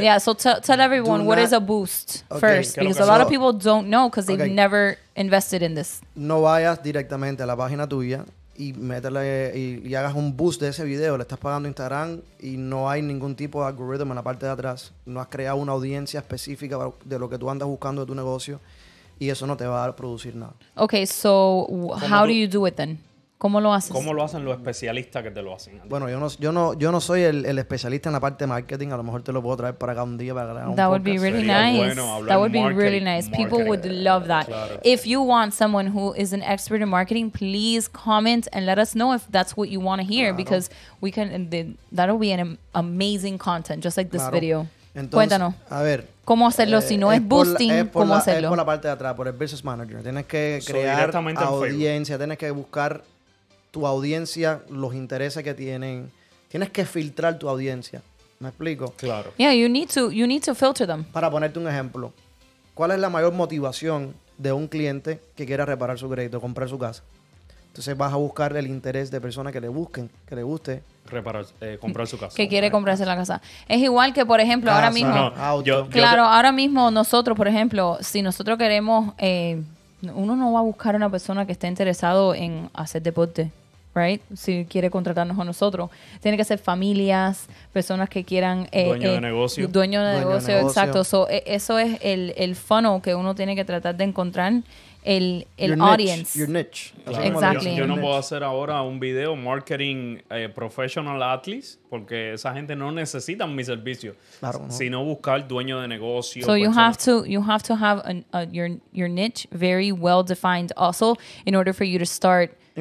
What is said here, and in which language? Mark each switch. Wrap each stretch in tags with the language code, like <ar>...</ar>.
<en>Yeah, so tell everyone what is a boost first, because a lot of people don't know because they've never invested in this.</en> <es>No vayas directamente a la página tuya y métele y hagas un boost de ese video. Le estás pagando Instagram y no hay ningún tipo de algoritmo en la parte de atrás. No has creado una audiencia específica de lo que tú andas buscando de tu negocio y eso no te va a producir nada.</es> <en>Okay, so how do you do it then?</en> <es>¿Cómo lo haces? ¿Cómo lo hacen los especialistas que te lo hacen? Bueno, yo no soy el especialista en la parte de marketing. A lo mejor te lo puedo traer para acá un día para grabar un podcast.</es> <en>That would be really nice.</en> <es>Bueno,</es> <en>that would be really nice. People would love that.</en> <es>Claro.</es> <en>If you want someone who is an expert in marketing, please comment and let us know if that's what you want to hear.</en> <es>Claro.</es> <en>Because that'll be an amazing content, just like this video.</en> <es>Entonces, cuéntanos. A ver. ¿Cómo hacerlo? Si no es boosting, ¿cómo hacerlo? Es por la parte de atrás, por el business manager. Tienes que crear audiencia, tienes que buscar tu audiencia, los intereses que tienen. Tienes que filtrar tu audiencia. ¿Me explico? Claro.</es> <en>Yeah, you need to filter them.</en> <es>Para ponerte un ejemplo, ¿cuál es la mayor motivación de un cliente que quiera reparar su crédito, comprar su casa? Entonces vas a buscar el interés de personas que le busquen, que le guste. Comprar su casa. Que quiere comprarse la casa. Es igual que, por ejemplo, casa, ahora mismo. No, yo, claro, ahora mismo nosotros, por ejemplo, si nosotros queremos, uno no va a buscar a una persona que esté interesado en hacer deporte. Right, si quiere contratarnos a nosotros, tiene que ser familias, personas que quieran dueño de negocio, exacto. So, eso es el funnel que uno tiene que tratar de encontrar el</es> <en>your audience. Niche, your niche.</en> <es>Claro.</es> <en>Exactly.</en> <es>Yo no puedo hacer ahora un video marketing</es> <en>professional athletes</en> <es>porque esa gente no necesita mi servicio, claro, no. Sino buscar dueño de negocio.</es> <en>So you have to have your niche very well defined also in order for you to start.</en>